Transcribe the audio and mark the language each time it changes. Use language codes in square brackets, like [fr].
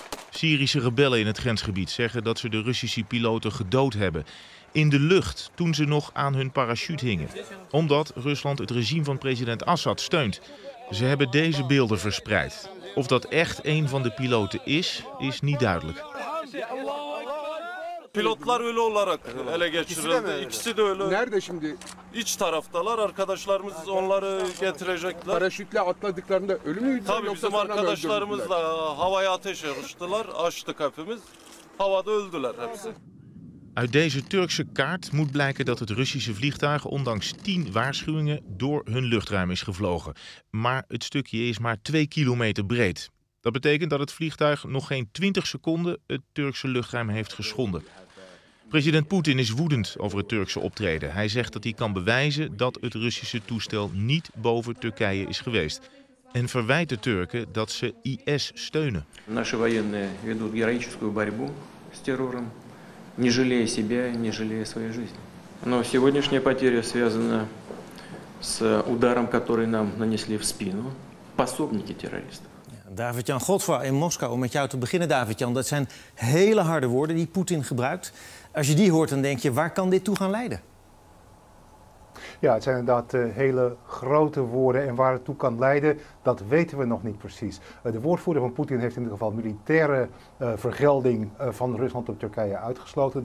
[nl] Syrische rebellen in het grensgebied zeggen dat ze de Russische piloten gedood hebben. In de lucht, toen ze nog aan hun parachute hingen. Omdat Rusland het regime van president Assad steunt. Ze hebben deze beelden verspreid. Of dat echt een van de piloten is, is niet duidelijk. [tr] Pilotlar öyle olarak ele geçirildi. İkisi de öyle. Nerede şimdi? İç taraftalar. Arkadaşlarımız onları getirecekler. Paraşütle atladıklarında ölü müydü? Tabii bizim arkadaşlarımızla havaya ateş açtılar. Açtık hepimiz. Havada öldüler hepsi. [nl] Uit deze Turkse kaart moet blijken dat het Russische vliegtuig ondanks 10 waarschuwingen door hun luchtruim is gevlogen. Maar het stukje is maar 2 kilometer breed. Dat betekent dat het vliegtuig nog geen 20 seconden het Turkse luchtruim heeft geschonden. President Poetin is woedend over het Turkse optreden. Hij zegt dat hij kan bewijzen dat het Russische toestel niet boven Turkije is geweest. En verwijt de Turken dat ze IS steunen. Onze [ru] военные ведут героическую борьбу с террором, не жалея себя и не жалея своей жизни. Но сегодняшняя потеря связана с ударом, который нам нанесли в спину пособники террористов. [nl] David-Jan Godfra in Moskou, om met jou te beginnen, David-Jan. Dat zijn hele harde woorden die Poetin gebruikt. Als je die hoort, dan denk je, waar kan dit toe gaan leiden? Ja, het zijn inderdaad hele grote woorden. En waar het toe kan leiden, dat weten we nog niet precies. De woordvoerder van Poetin heeft in ieder geval militaire vergelding van Rusland op Turkije uitgesloten.